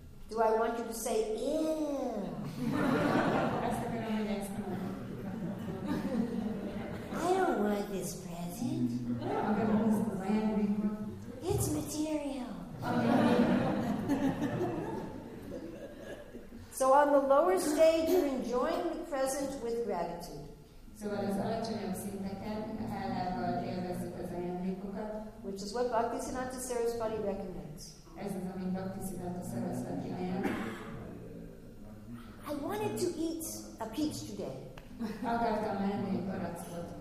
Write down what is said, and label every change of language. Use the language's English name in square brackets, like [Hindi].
[English] Do I want you to say, I don't want this present. It's material. So on the lower stage, you're enjoying the present with gratitude. [Hungarian] Szóval az alacsonyabb szinteken hálával élvezzük az ajándékokat, [English] which is what Bhaktisiddhanta Sarasvati recommends. [Hungarian] Ez az, amit Bhaktisiddhanta Sarasvati ajánl. [English] I wanted to eat a peach today. [Hungarian] Akartam enni egy paracot.